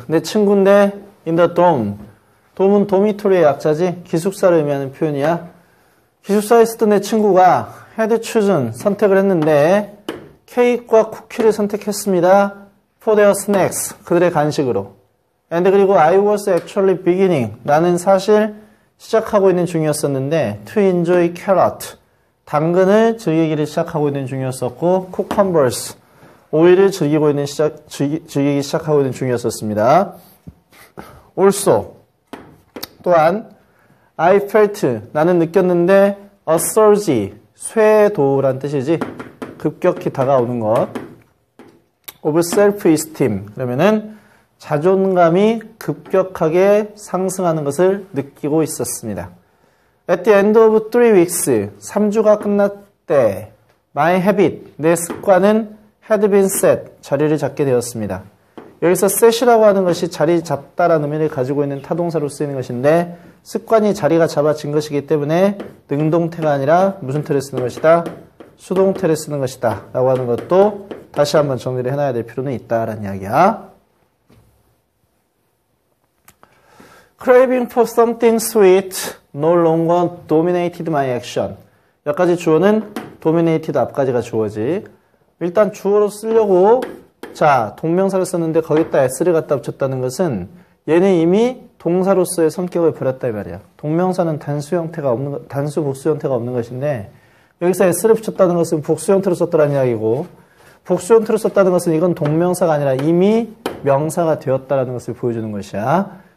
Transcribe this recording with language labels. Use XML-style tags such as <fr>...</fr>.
<ko>내 친구인데,</ko> <en>in the dorm.</en> <ko>돔은 도미토리의 약자지? 기숙사를 의미하는 표현이야. 기숙사에 있었던 내 친구가</ko> <en>had chosen,</en> <ko>선택을 했는데, 케이크와 쿠키를 선택했습니다.</ko> <en>For their snacks.</en> <ko>그들의 간식으로.</ko> <en>And</en> <ko>그리고</ko> <en>I was actually beginning.</en> <ko>나는 사실 시작하고 있는 중이었었는데,</ko> <en>to enjoy carrot.</en> <ko>당근을 즐기기를 시작하고 있는 중이었었고, 쿠컴버스, 오이를 즐기기 시작하고 있는 중이었었습니다.</ko> <en>Also,</en> <ko>또한,</ko> <en>I felt,</en> <ko>나는 느꼈는데,</ko> <en>a surge,</en> <ko>쇄도우란 뜻이지. 급격히 다가오는 것.</ko> <en>Of self-esteem,</en> <ko>그러면은, 자존감이 급격하게 상승하는 것을 느끼고 있었습니다.</ko> <en>At the end of 3 weeks,</en> <ko>3주가 끝났대.</ko> <en>My habit,</en> <ko>내 습관은</ko> <en>had been set,</en> <ko>자리를 잡게 되었습니다. 여기서 set이라고 하는 것이 자리 잡다라는 의미를 가지고 있는 타동사로 쓰이는 것인데, 습관이 자리가 잡아진 것이기 때문에 능동태가 아니라 무슨 태를 쓰는 것이다? 수동태를 쓰는 것이다. 라고 하는 것도 다시 한번 정리를 해놔야 될 필요는 있다라는 이야기야.</ko> <en>Craving for something sweet no longer dominated my action.</en> <ko>몇 가지 주어는 dominated 앞까지가 주어지. 일단 주어로 쓰려고, 자, 동명사를 썼는데 거기다 s를 갖다 붙였다는 것은 얘는 이미 동사로서의 성격을 버렸단 말이야. 동명사는 단수 형태가 없는, 단수 복수 형태가 없는 것인데 여기서 s를 붙였다는 것은 복수 형태로 썼다는 이야기고, 복수 형태로 썼다는 것은 이건 동명사가 아니라 이미 명사가 되었다라는 것을 보여주는 것이야.</ko>